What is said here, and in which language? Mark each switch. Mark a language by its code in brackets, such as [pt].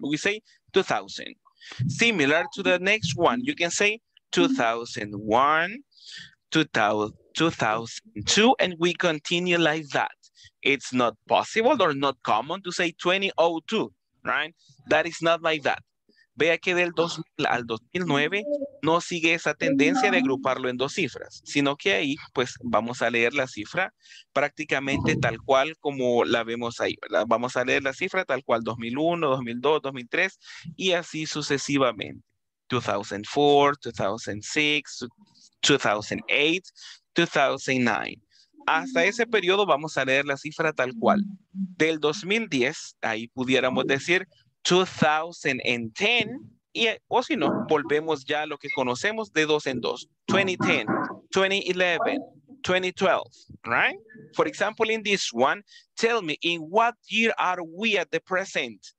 [en] We say 2000. Similar to the next one, you can say 2001, 2002, and we continue like that. It's not possible or not common to say 2002, right? That is not like that. [es] Vea que del 2000 al 2009 no sigue esa tendencia de agruparlo en dos cifras, sino que ahí, pues, vamos a leer la cifra prácticamente tal cual como la vemos ahí, ¿verdad? Vamos a leer la cifra tal cual 2001, 2002, 2003 y así sucesivamente. 2004, 2006, 2008, 2009. Hasta ese periodo vamos a leer la cifra tal cual. Del 2010, ahí pudiéramos decir 2010, y, o si no, volvemos ya a lo que conocemos de dos en dos. 2010, 2011, 2012, right? [en] For example, in this one, tell me, in what year are we at the present?